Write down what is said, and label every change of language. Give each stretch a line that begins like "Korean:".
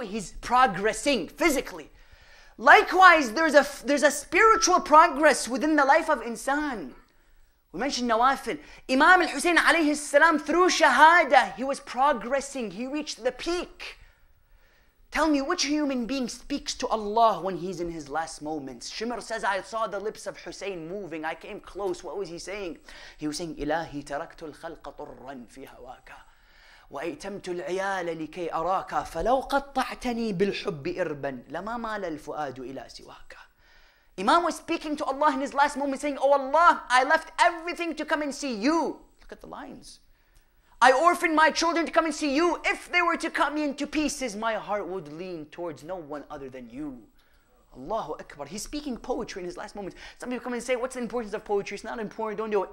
English: He's progressing physically. Likewise, there's a spiritual progress within the life of insan. We mentioned nawafil. Imam al-Husayn alayhi salam, through shahada, he was progressing. He reached the peak. Tell me, which human being speaks to Allah when he's in his last moments? Shimr says, I saw the lips of Hussein moving. I came close. What was he saying? He was saying,
Arabic: إِلَهِ تَرَكْتُ الْخَلْقَ طُرًّا فِي هَوَاكَ وَأَيْتَمْتُ الْعِيَالَ لِكَيْ أَرَاكَ فَلَوْ قَطَّعْتَنِي بِالْحُبِّ إِرْبًا لَمَا مَالَ الْفُؤَادُ إِلَى سِوَاكَ.
English: Imam was speaking to Allah in his last moments, saying, oh Allah, I left everything to come and see you. Look at the lines. I orphaned my children to come and see you. If they were to cut me into pieces, my heart would lean towards no one other than you. Allahu Akbar. He's speaking poetry in his last moments. Some people come and say, what's the importance of poetry? It's not important. Don't do it.